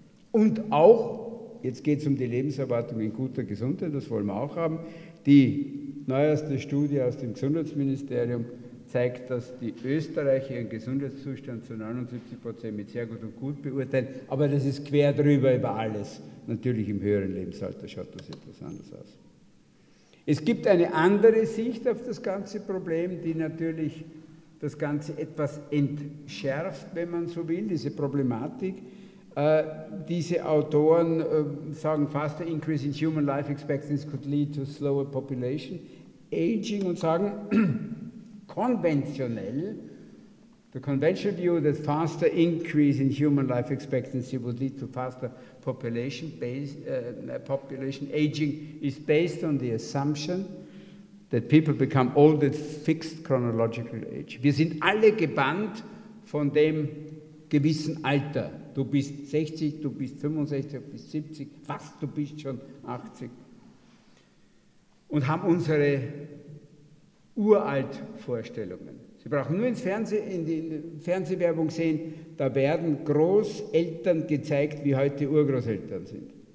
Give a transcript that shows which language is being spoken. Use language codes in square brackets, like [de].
[de] Und auch, jetzt geht es um die Lebenserwartung in guter Gesundheit, das wollen wir auch haben, die neueste Studie aus dem Gesundheitsministerium zeigt, dass die Österreicher ihren Gesundheitszustand zu 79% mit sehr gut und gut beurteilen, aber das ist quer drüber über alles. Natürlich im höheren Lebensalter schaut das etwas anders aus. Es gibt eine andere Sicht auf das ganze Problem, die natürlich das Ganze etwas entschärft, wenn man so will, diese Problematik. Diese Autoren sagen, [en] faster increase in human life expectancy could lead to slower population aging [de] und sagen, konventionell, [en] the conventional view that faster increase in human life expectancy would lead to faster population aging is based on the assumption that people become old at fixed chronological age. [de] Wir sind alle gebannt von dem gewissen Alter. Du bist 60, du bist 65, du bist 70, fast du bist schon 80. Und haben unsere Uraltvorstellungen. Sie brauchen nur ins Fernsehen, in die Fernsehwerbung sehen, da werden Großeltern gezeigt, wie heute Urgroßeltern sind.